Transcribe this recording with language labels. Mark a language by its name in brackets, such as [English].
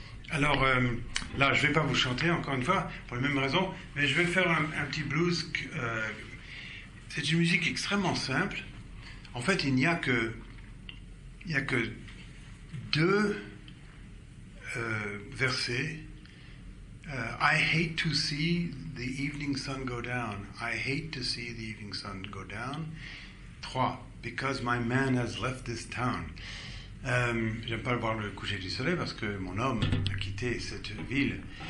[French] Alors, là, je ne vais pas vous chanter, encore une fois, pour les mêmes raisons, mais je vais faire un petit blues. C'est une musique extrêmement simple. En fait, il n'y a que deux versets. [English] I hate to see the evening sun go down. I hate to see the evening sun go down. Trois. Because my man has left this town. [French] J'aime pas voir le coucher du soleil parce que mon homme a quitté cette ville.